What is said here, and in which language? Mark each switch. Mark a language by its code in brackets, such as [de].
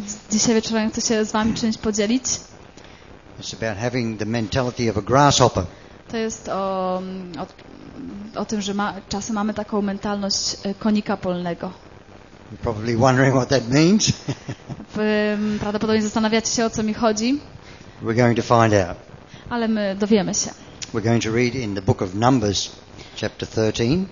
[pl] Dzisiaj wieczorem chcę się z wami czymś podzielić. [en] It's about having the mentality of a grasshopper. [pl] To jest o tym, że czasem mamy taką mentalność konika polnego. [en] You're probably wondering what that means. [pl] Prawdopodobnie zastanawiacie się, o co mi chodzi. [en] We're going to find out. [pl] Ale my dowiemy się. [en] We're going to read in the book of Numbers, chapter 13.